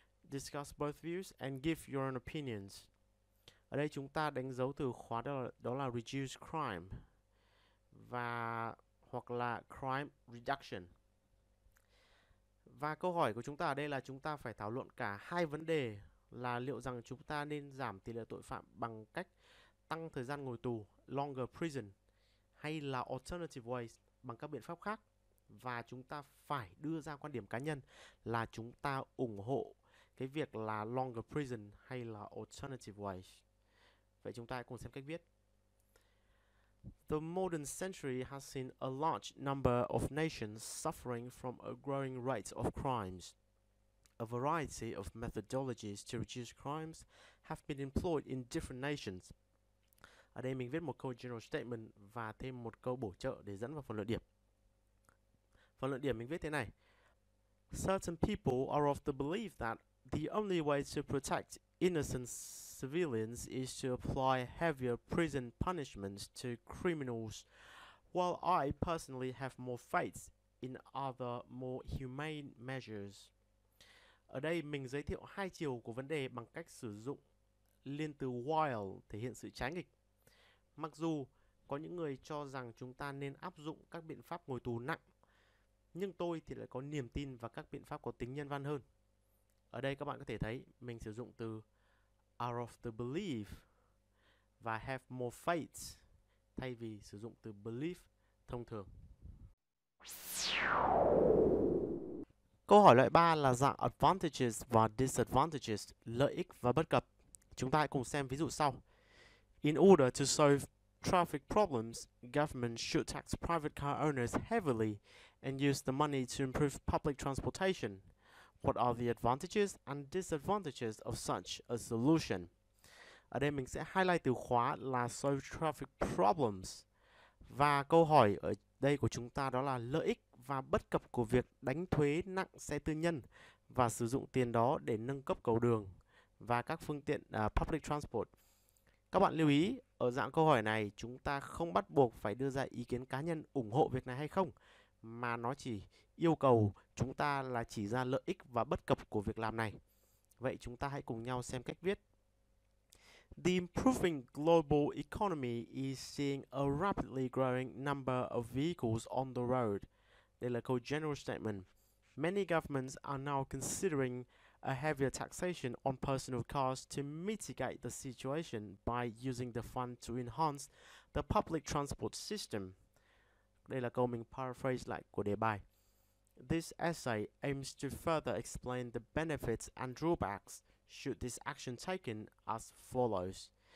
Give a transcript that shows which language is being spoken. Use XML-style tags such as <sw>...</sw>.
<en>Discuss both views and give your own opinions.</en> <vi>Ở đây chúng ta đánh dấu từ khóa đó là reduce crime và hoặc là crime reduction. Và câu hỏi của chúng ta ở đây là chúng ta phải thảo luận cả hai vấn đề, là liệu rằng chúng ta nên giảm tỷ lệ tội phạm bằng cách tăng thời gian ngồi tù,</vi> <en>longer prison,</en> <vi>hay là</vi> <en>alternative ways,</en> <vi>bằng các biện pháp khác. Và chúng ta phải đưa ra quan điểm cá nhân là chúng ta ủng hộ cái việc là</vi> <en>longer prison</en> <vi>hay là</vi> <en>alternative ways.</en> <vi>Vậy chúng ta cùng xem cách viết.</vi> <en>The modern century has seen a large number of nations suffering from a growing rate of crimes. A variety of methodologies to reduce crimes have been employed in different nations.</en> <vi>Ở đây mình viết một câu general statement và thêm một câu bổ trợ để dẫn vào phần luận điểm. Phần luận điểm mình viết thế này.</vi> <en>Certain people are of the belief that the only way to protect innocent civilians is to apply heavier prison punishments to criminals, while I personally have more faith in other more humane measures.</en> <vi>Ở đây mình giới thiệu hai chiều của vấn đề bằng cách sử dụng liên từ while thể hiện sự trái nghịch. Mặc dù có những người cho rằng chúng ta nên áp dụng các biện pháp ngồi tù nặng, nhưng tôi thì lại có niềm tin vào các biện pháp có tính nhân văn hơn. Ở đây các bạn có thể thấy mình sử dụng từ</vi> <en>are of the belief</en> <vi>và</vi> <en>have more faith</en> <vi>thay vì sử dụng từ belief thông thường. Câu hỏi loại 3 là dạng advantages và disadvantages, lợi ích và bất cập. Chúng ta hãy cùng xem ví dụ sau.</vi> <en>In order to solve traffic problems, government should tax private car owners heavily and use the money to improve public transportation. What are the advantages and disadvantages of such a solution?</en> <vi>Ở đây mình sẽ highlight từ khóa là solve traffic problems. Và câu hỏi ở đây của chúng ta đó là lợi ích và bất cập của việc đánh thuế nặng xe tư nhân và sử dụng tiền đó để nâng cấp cầu đường và các phương tiện</vi> <en>public transport.</en> <vi>Các bạn lưu ý, ở dạng câu hỏi này chúng ta không bắt buộc phải đưa ra ý kiến cá nhân ủng hộ việc này hay không, mà nó chỉ yêu cầu chúng ta là chỉ ra lợi ích và bất cập của việc làm này. Vậy chúng ta hãy cùng nhau xem cách viết.</vi> <en>The improving global economy is seeing a rapidly growing number of vehicles on the road.</en> <vi>Đây là câu general statement.</vi> <en>Many governments are now considering a heavier taxation on personal cars to mitigate the situation by using the fund to enhance the public transport system.</en> <vi>Đây là câu mình paraphrase lại của đề bài.</vi> <en>This essay aims to further explain the benefits and drawbacks should this action taken as follows.</en>